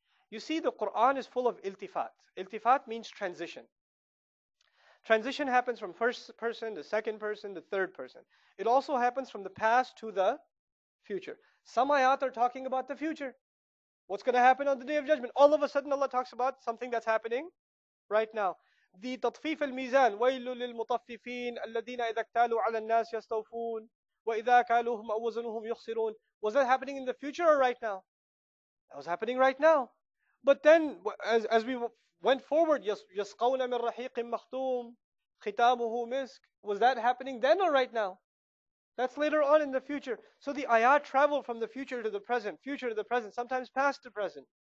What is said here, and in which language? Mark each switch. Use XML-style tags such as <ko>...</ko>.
<en>You see, the Qur'an is full of iltifat. Iltifat means transition. Transition happens from first person to second person to third person. It also happens from the past to the future. Some ayat are talking about the future. What's going to happen on the Day of Judgment? All of a sudden Allah talks about something that's happening right now.</en> <ar>The tatfif al-mizan, وَيْلُ لِلْمُطَفِّفِينَ الَّذِينَ إِذَا اكْتَالُوا عَلَى النَّاسِ يَسْتَوْفُونَ وَإِذَا كَالُوهُمْ أَوَّزَنُهُمْ يُخْسِرُونَ.</ar> <en>Was that happening in the future or right now? That was happening right now. But then, as we went forward,</en> <ar>يَسْقَوْنَ مِنْ رَحِيقٍ مَخْتُومٍ خِتَامُهُ مِسْكٍ.</ar> <en>Was that happening then or right now? That's later on in the future. So the ayat travel from the future to the present, sometimes past to present.</en>